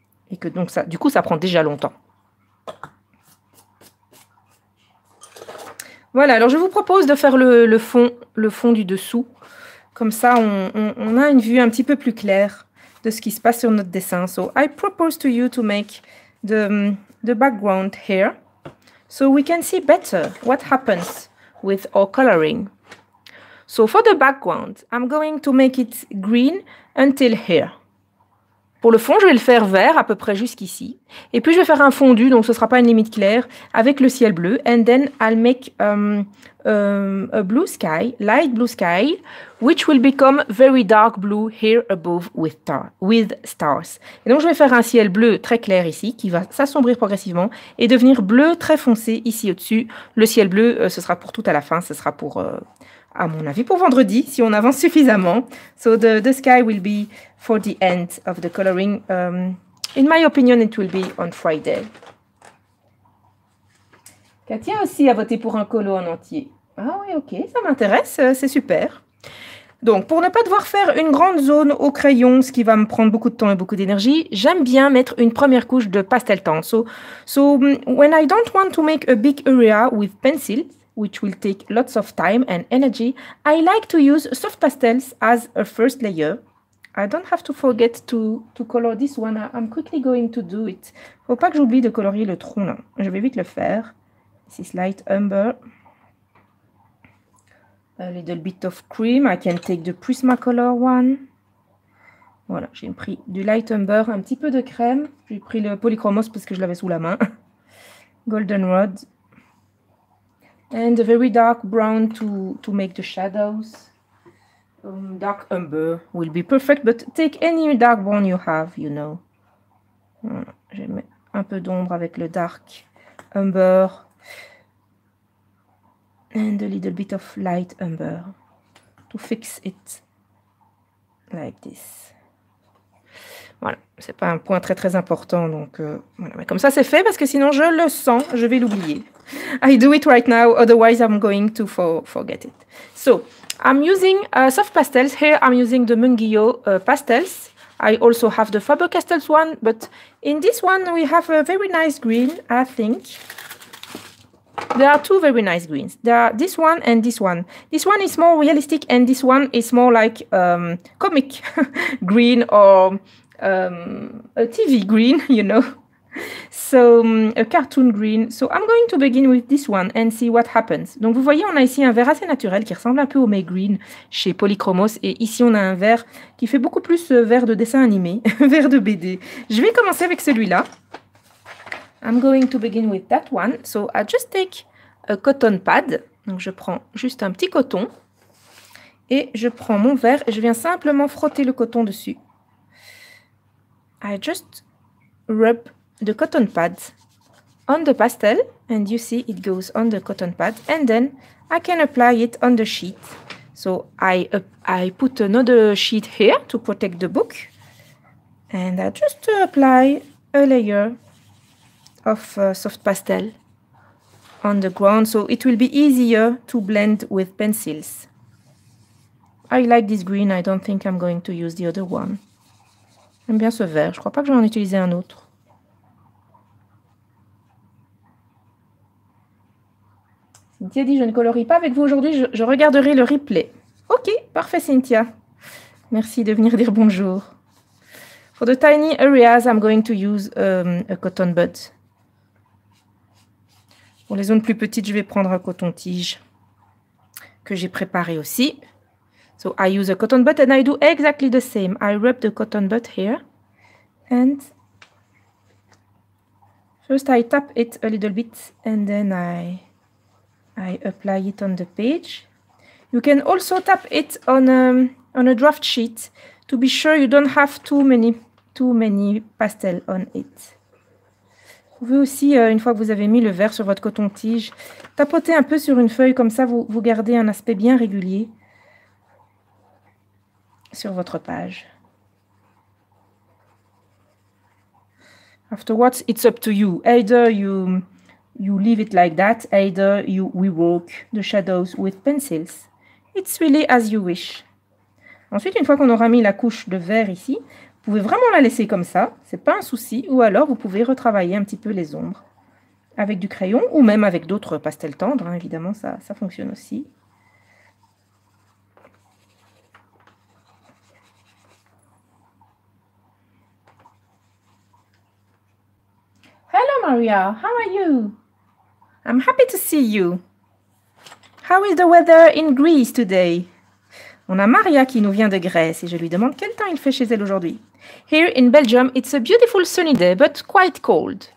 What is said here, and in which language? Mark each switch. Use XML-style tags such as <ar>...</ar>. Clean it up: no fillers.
<fr>Et que donc, ça, du coup, ça prend déjà longtemps. Voilà, alors je vous propose de faire le fond du dessous. Comme ça, on a une vue un petit peu plus claire de ce qui se passe sur notre dessin.</fr> <en>So, I propose to you to make the background here so we can see better what happens with our coloring. So, for the background, I'm going to make it green until here.</en> <fr>Pour le fond, je vais le faire vert à peu près jusqu'ici. Et puis, je vais faire un fondu, donc ce ne sera pas une limite claire, avec le ciel bleu.</fr> <en>And then, I'll make a blue sky, light blue sky, which will become very dark blue here above with stars.</en> <fr>Et donc, je vais faire un ciel bleu très clair ici, qui va s'assombrir progressivement, et devenir bleu très foncé ici au-dessus. Le ciel bleu, ce sera pour tout à la fin, ce sera pour... À mon avis, pour vendredi, si on avance suffisamment.</fr> <en>So the sky will be for the end of the coloring. In my opinion, it will be on Friday.</en> <fr>Katia aussi a voté pour un colo en entier. Ah oui, ok, ça m'intéresse, c'est super. Donc, pour ne pas devoir faire une grande zone au crayon, ce qui va me prendre beaucoup de temps et beaucoup d'énergie, j'aime bien mettre une première couche de pastel tendre.</fr> <en>So when I don't want to make a big area with pencil, which will take lots of time and energy, I like to use soft pastels as a first layer. I don't have to forget to color this one. I'm quickly going to do it.</en> <fr>Faut pas que j'oublie de colorier le tronc là. Je vais vite le faire.</fr> <en>This is light umber. A little bit of cream. I can take the Prismacolor one.</en> <fr>Voilà, j'ai pris du light umber, un petit peu de crème. J'ai pris le Polychromos parce que je l'avais sous la main.</fr> <en>Goldenrod. And a very dark brown to make the shadows. Dark umber will be perfect, but take any dark brown you have, you know.</en> <fr>Voilà, je mets un peu d'ombre avec le dark umber.</fr> <en>And a little bit of light umber to fix it like this.</en> <fr>Voilà, c'est pas un point très très important, donc voilà. Mais comme ça c'est fait, parce que sinon je le sens, je vais l'oublier.</fr> <en>I do it right now, otherwise I'm going to forget it. So, I'm using soft pastels. Here I'm using the Mungio pastels. I also have the Faber-Castell one, but in this one we have a very nice green, I think. There are two very nice greens. There are this one and this one. This one is more realistic and this one is more like comic green or a TV green, you know. So, a cartoon green. So, I'm going to begin with this one and see what happens.</en> <fr>Donc, vous voyez, on a ici un vert assez naturel qui ressemble un peu au May Green chez Polychromos. Et ici, on a un vert qui fait beaucoup plus vert de dessin animé, vert de BD. Je vais commencer avec celui-là.</fr> <en>I'm going to begin with that one. So, I just take a cotton pad.</en> <fr>Donc, je prends juste un petit coton. Et je prends mon vert et je viens simplement frotter le coton dessus.</fr> <en>I just rub the cotton pad on the pastel, and you see it goes on the cotton pad, and then I can apply it on the sheet. So I put another sheet here to protect the book, and I just apply a layer of soft pastel on the ground, so it will be easier to blend with pencils. I like this green, I don't think I'm going to use the other one.</en> <fr>J'aime bien ce vert, je crois pas que je vais en utiliser un autre. Cynthia dit, je ne colorie pas avec vous aujourd'hui, je regarderai le replay. Ok, parfait Cynthia. Merci de venir dire bonjour.</fr> <en>For the tiny areas, I'm going to use a cotton bud.</en> <fr>Pour les zones plus petites, je vais prendre un coton-tige que j'ai préparé aussi.</fr> <en>So I use a cotton bud and I do exactly the same. I rub the cotton bud here. And first I tap it a little bit and then I apply it on the page. You can also tap it on a draft sheet to be sure you don't have too many pastels on it.</en> <fr>Vous pouvez aussi, une fois que vous avez mis le vert sur votre coton-tige, tapoter un peu sur une feuille, comme ça vous gardez un aspect bien régulier sur votre page.</fr> <en>Afterwards, it's up to you. Either you leave it like that, either you rework the shadows with pencils. It's really as you wish.</en> <fr>Ensuite, une fois qu'on aura mis la couche de vert ici, vous pouvez vraiment la laisser comme ça, c'est pas un souci, ou alors vous pouvez retravailler un petit peu les ombres avec du crayon ou même avec d'autres pastels tendres, hein. Évidemment ça fonctionne aussi.</fr> <en>Hello Maria, how are you? I'm happy to see you. How is the weather in Greece today?</en> <fr>On a Maria qui nous vient de Grèce et je lui demande quel temps il fait chez elle aujourd'hui.</fr> <en>Here in Belgium, it's a beautiful sunny day, but quite cold.</en>